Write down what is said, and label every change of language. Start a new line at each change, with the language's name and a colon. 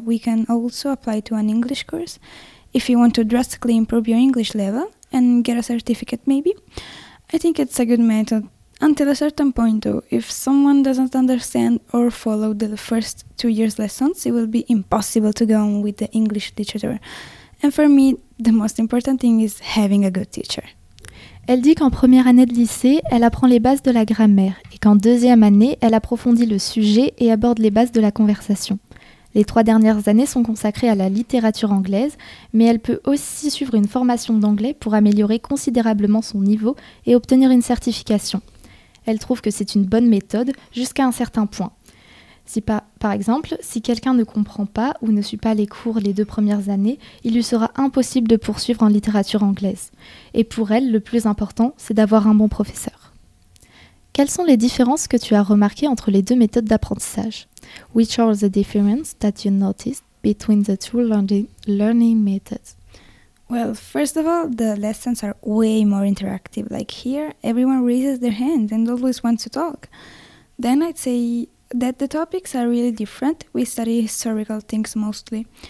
English: We can also apply to an English course if you want to drastically improve your English level and get a certificate maybe. I think it's a good method. Until a certain point though, if someone doesn't understand or follow the first 2 years lessons, it will be impossible to go on with the English literature. And for me, the most important thing is having a good teacher.
French: Elle dit qu'en première année de lycée, elle apprend les bases de la grammaire et qu'en deuxième année, elle approfondit le sujet et aborde les bases de la conversation. Les 3 dernières années sont consacrées à la littérature anglaise, mais elle peut aussi suivre une formation d'anglais pour améliorer considérablement son niveau et obtenir une certification. Elle trouve que c'est une bonne méthode jusqu'à un certain point. Si par exemple, si quelqu'un ne comprend pas ou ne suit pas les cours les 2 premières années, il lui sera impossible de poursuivre en littérature anglaise. Et pour elle, le plus important, c'est d'avoir un bon professeur. Quelles sont les différences que tu as remarquées entre les 2 méthodes d'apprentissage?
English: Which are the differences that you noticed between the 2 learning methods? Well, first of all, the lessons are way more interactive. Like here, everyone raises their hand and always wants to talk. Then I'd say that the topics are really different. We study historical things mostly.